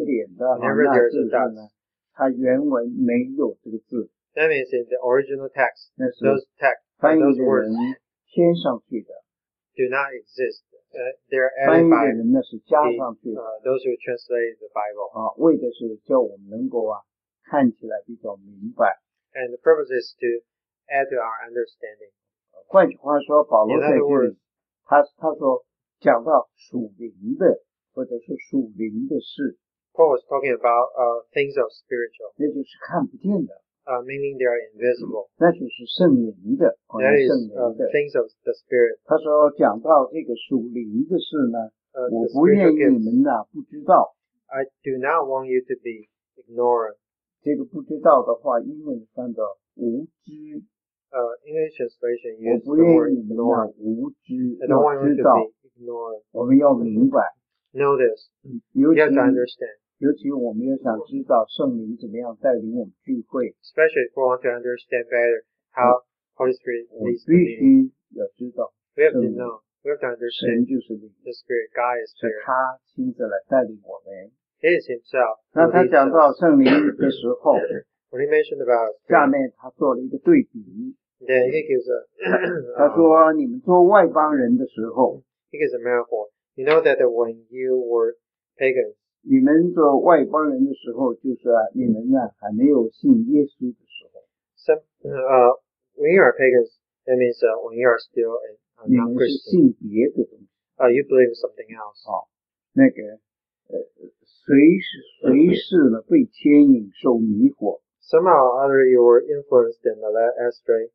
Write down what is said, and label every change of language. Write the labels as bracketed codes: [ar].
[zh] 点点点的，那字上呢，它原文没有这个字。 [en] That means in the original text, [zh] 那是 [en] those text, those words, [zh] 添上去的。 [en] Do not exist. They're added by [zh] the, 那是加上去的。 [en] Those who translate the Bible. [zh] 啊，为的是叫我们能够啊，看起来比较明白。 [en] And the purpose is to add to our understanding. [zh] 换句话说，保罗在这里，他说讲到属灵的或者是属灵的事。 [en] Paul was talking about things of spiritual. [zh] 那就是看不见的。 [en] Meaning they are invisible. [zh] 那就是圣灵的，圣灵的。 [en] That is things of the spirit. [zh] 他说讲到这个属灵的事呢，我不愿意你们呢不知道。 [en] I do not want you to be ignorant. [zh] 这个不知道的话，英文翻的无知。 [en] English translation uses the word ignorant. [zh] 我不愿意你们呢无知，要知道。我们要明白。 [en] Know this. You have to understand. [zh] 尤其我们要想知道圣灵怎么样带领我们聚会。 [en] Especially if we want to understand better how Holy Spirit leads the meeting. [zh] 必须要知道。 [en] We have to know. We have to understand. [zh] 神就是灵。 [en] The Spirit, God is Spirit. [zh] 是他亲自来带领我们。 [en] He is Himself. [zh] 那他讲到圣灵的时候。 [en] When he mentioned about Spirit. [zh] 下面他做了一个对比。 [en] Then he gives a, [zh] 他说你们做外邦人的时候。 [en] He gives a metaphor. You know that when you were pagans, [zh] 你们做外邦人的时候，就是、啊、你们呢还没有信耶稣的时候。 [en] When you are pagans, that means when you are still a non-Christian. [zh] 你们是信别的东西。 [en] You believe something else.、 [zh] 哦、那个随时呢被牵引受迷惑。 [en] Somehow or other you were influenced and led astray.